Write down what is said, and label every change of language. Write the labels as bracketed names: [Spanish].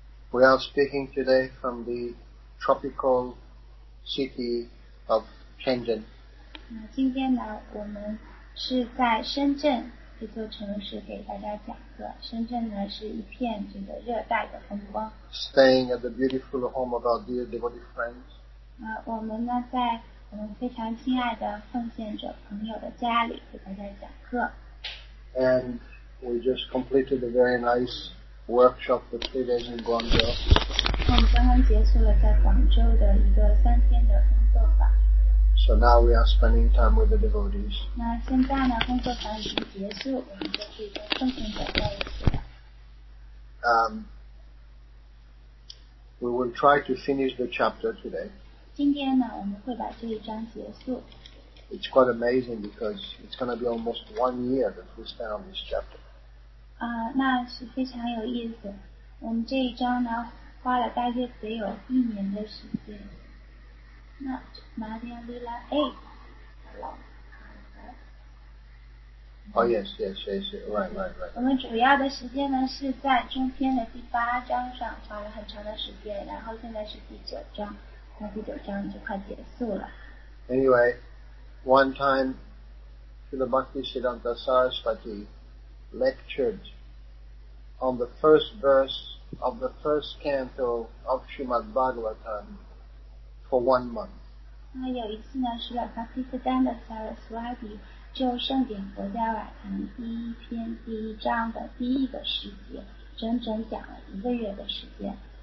[English] We are speaking today from the tropical city of Shenzhen. [Chinese] 今天呢，我们是在深圳这座城市给大家讲课。深圳呢，是一片这个热带的风光。 [English] Staying at the beautiful home of our dear devotee friends. [Chinese] 我们呢，在我们非常亲爱的奉献者朋友的家里给大家讲课。 [English] And we just completed a very nice workshop for 3 days in Guangzhou. [Chinese] 我们刚刚结束了在广州的一个三天的工作坊。 [English] So now we are spending time with the devotees. [Chinese] 那现在呢，工作坊已经结束，我们就是跟奉献者在一起了。 [English] We will try to finish the chapter today. [Chinese] 今天呢，我们会把这一章结束。 [English] It's quite amazing because it's going to be almost 1 year that we spend on this chapter. [Chinese] 那是非常有意思。我们这一章呢，花了大约得有一年的时间。那Madhya Lila 8。 [English] Yes, right. [Chinese] 我们主要的时间呢是在中篇的第八章上花了很长的时间，然后现在是第九章，那第九章就快结束了。 [English] Anyway. One time, Srila Bhaktisiddhanta Saraswati lectured on the first verse of the first canto of Srimad Bhagavatam for 1 month. [Chinese] 那有一次呢，是了 Bhaktisiddhanta Saraswati 就圣典佛教瓦坛第一篇第一章的第一个时节，整整讲了一个月的时间。